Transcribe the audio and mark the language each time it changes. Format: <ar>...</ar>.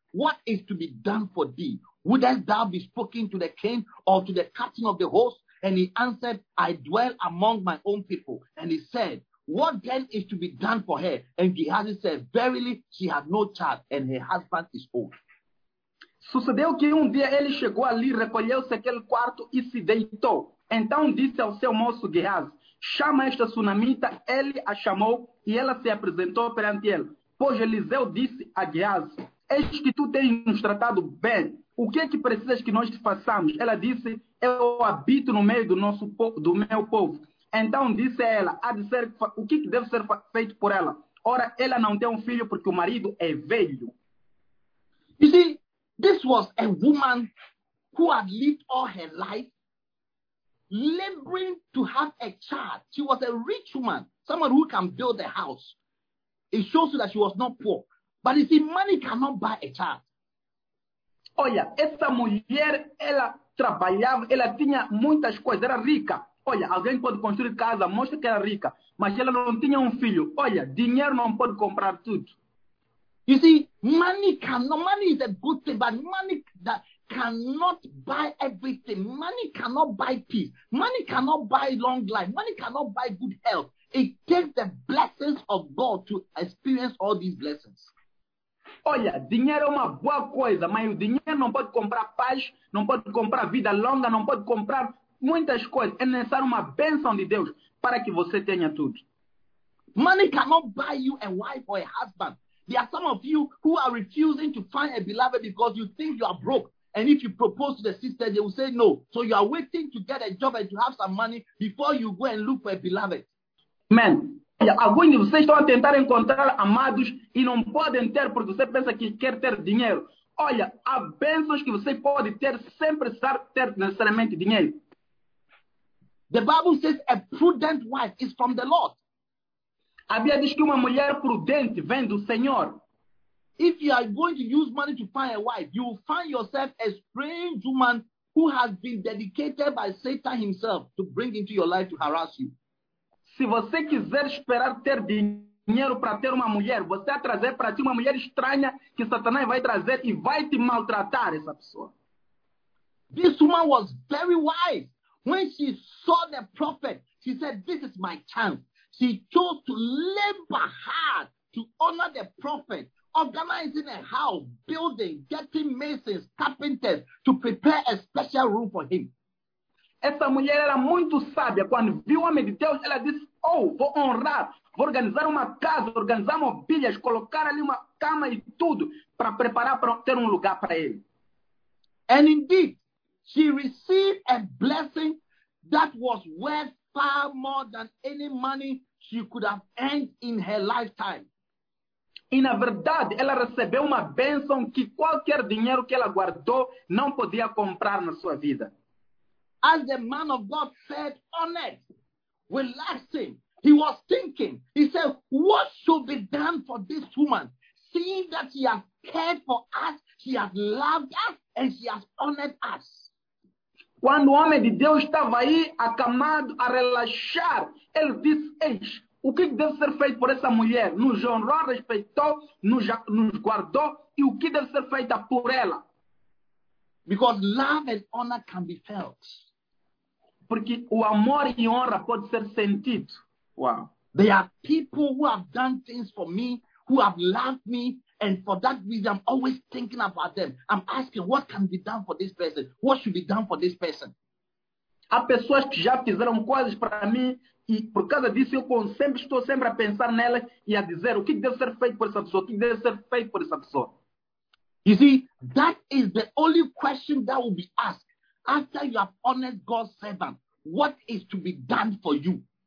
<en>What is to be done for thee? Wouldest thou be spoken to the king or to the captain of the host? And he answered, I dwell among my own people. And he said, what then is to be done for her? And Gehazi said, verily, she had no child, and her husband is old.</en> <pt>Sucedeu que dia ele chegou ali, recolheu-se aquele quarto e se deitou. Então disse ao seu moço Gehazi, chama esta sunamita. Ele a chamou e ela se apresentou perante ele. Pois Eliseu disse a Gehazi, eis que tu tens nos tratado bem. O que é que precisas que nós te façamos? Ela disse, eu habito no meio do meu povo. Então disse ela, há de ser, o que deve ser feito por ela? Ora, ela não tem filho porque o marido é velho.</pt> <en>You see, this was a woman who had lived all her life laboring to have a child. She was a rich woman, someone who can build a house. It shows you that she was not poor. But you see, money cannot buy a child.</en> <pt>Olha, essa mulher, ela trabalhava, ela tinha muitas coisas, era rica. Olha, alguém pode construir casa, mostra que era rica, mas ela não tinha filho. Olha, dinheiro não pode comprar tudo.</pt> <en>You see, money cannot, money is a good thing, but money, that cannot buy everything. Money cannot buy peace. Money cannot buy long life. Money cannot buy good health. It takes the blessings of God to experience all these blessings.</en> <pt>Olha, dinheiro é uma boa coisa, mas o dinheiro não pode comprar paz, não pode comprar vida longa, não pode comprar muitas coisas. É necessário uma bênção de Deus para que você tenha tudo.</pt> <en>Money cannot buy you a wife or a husband. There are some of you who are refusing to find a beloved because you think you are broke. And if you propose to the sister, they will say no. So you are waiting to get a job and to have some money before you go and look for a beloved. Amen.</en> <pt>Alguns de vocês estão a tentar encontrar amados e não podem ter porque você pensa que quer ter dinheiro. Olha, há bênçãos que você pode ter sem precisar ter necessariamente dinheiro.</pt> <en>The Bible says a prudent wife is from the Lord.</en> <pt>A Bíblia diz que uma mulher prudente vem do Senhor.</pt> <en>If you are going to use money to find a wife, you will find yourself a strange woman who has been dedicated by Satan himself to bring into your life to harass you.</en> <pt>Se você quiser esperar ter dinheiro para ter uma mulher, você vai trazer para ti uma mulher estranha que Satanás vai trazer e vai te maltratar essa pessoa.</pt> <en>This woman was very wise. When she saw the prophet, she said, "This is my chance." She chose to labor hard to honor the prophet, organizing a house, building, getting masons, carpenters to prepare a special room for him.</en> <pt>Essa mulher era muito sábia. Quando viu o homem de Deus, ela disse, oh, vou honrar, vou organizar uma casa, organizar mobílias, colocar ali uma cama e tudo para preparar para ter um lugar para ele.</pt> <en>And indeed, she received a blessing that was worth far more than any money she could have earned in her lifetime.</en> <pt>E na verdade, ela recebeu uma bênção que qualquer dinheiro que ela guardou não podia comprar na sua vida.</pt> <en>As the man of God said, honored, relaxing, he was thinking. He said, what should be done for this woman? Seeing that she has cared for us, she has loved us, and she has honored us.</en> <pt>Quando o homem de Deus estava aí, acamado, a relaxar, ele disse, o que deve ser feito por essa mulher? Nos honrou, respeitou, nos guardou, e o que deve ser feito por ela?</pt> <en>Because love and honor can be felt.</en> <pt>Porque o amor e honra pode ser sentido.</pt> <en>Wow. There are people who have done things for me, who have loved me, and for that reason, I'm always thinking about them. I'm asking, what can be done for this person? What should be done for this person?</en> <pt>Há pessoas que já fizeram coisas para mim, e por causa disso, eu estou sempre a pensar nelas e a dizer, o que deve ser feito por essa pessoa? O que deve ser feito por essa pessoa?</pt> <en>You see, that is the only question that will be asked. After you have honored God's servant, what is to be done for you?</en>